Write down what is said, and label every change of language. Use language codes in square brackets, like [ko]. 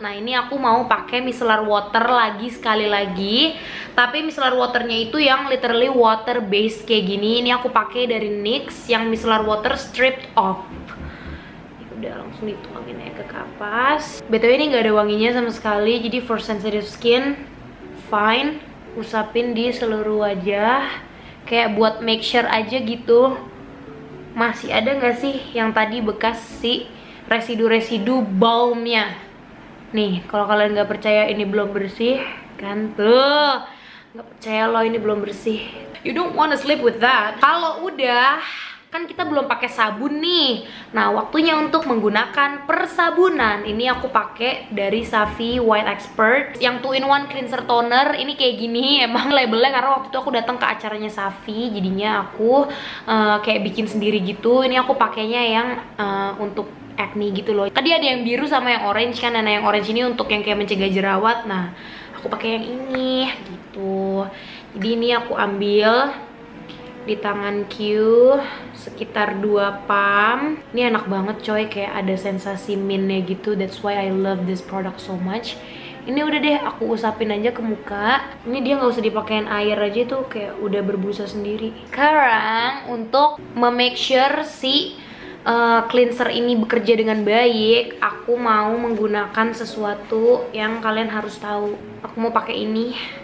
[id] Nah, ini aku mau pakai micellar water lagi sekali lagi. Tapi micellar waternya itu yang literally water based kayak gini. Ini aku pakai dari NYX yang micellar water stripped off. Udah langsung dituangin aja ke kapas. Betul, ini enggak ada wanginya sama sekali. [en] Jadi for sensitive skin, fine. [id] Usapin di seluruh wajah. Kayak buat [en] make sure [id] aja gitu. Masih ada gak sih yang tadi bekas si residu-residu balmnya? Nih, kalau kalian gak percaya ini belum bersih, kan tuh. Gak percaya loh ini belum bersih. [en] You don't wanna sleep with that. [id] Kalau udah, kan kita belum pakai sabun nih. Nah, waktunya untuk menggunakan persabunan. Ini aku pakai dari Safi White Expert yang 2-in-1 cleanser toner. Ini kayak gini, emang labelnya karena waktu itu aku datang ke acaranya Safi, jadinya aku kayak bikin sendiri gitu. Ini aku pakainya yang untuk acne gitu loh. Tadi ada yang biru sama yang orange kan. Nah, yang orange ini untuk yang kayak mencegah jerawat. Nah, aku pakai yang ini gitu. Jadi ini aku ambil di tangan Q sekitar 2 pam. Ini enak banget coy, kayak ada sensasi mintnya gitu. [en] That's why I love this product so much. [id] Ini udah deh aku usapin aja ke muka. Ini dia enggak usah dipakein air aja tuh kayak udah berbusa sendiri. Sekarang untuk memake sure si cleanser ini bekerja dengan baik, aku mau menggunakan sesuatu yang kalian harus tahu. Aku mau pakai ini.